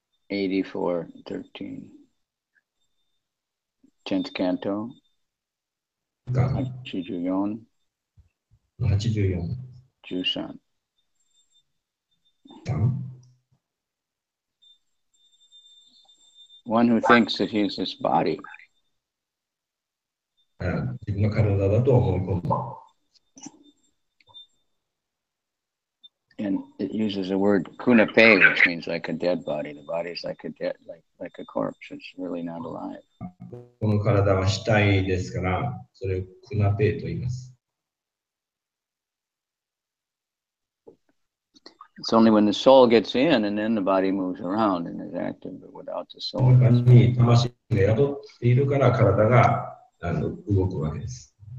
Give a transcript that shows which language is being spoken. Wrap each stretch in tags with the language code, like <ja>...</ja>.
<en>84.13 10th canto 84.13 One who thinks that he is this body.</en> <ja>自分の体だと思い込む。</ja> <en>And it uses the word kunapai, which means like a dead body. The body is like a dead, like a corpse. It's really not alive.</en> <ja>この体は死体ですから、それをクナペイと言います。</ja> <en>It's only when the soul gets in and then the body moves around and is active, but without the soul.</en> <ja>この中に魂が宿っているから体が動くわけです。</ja>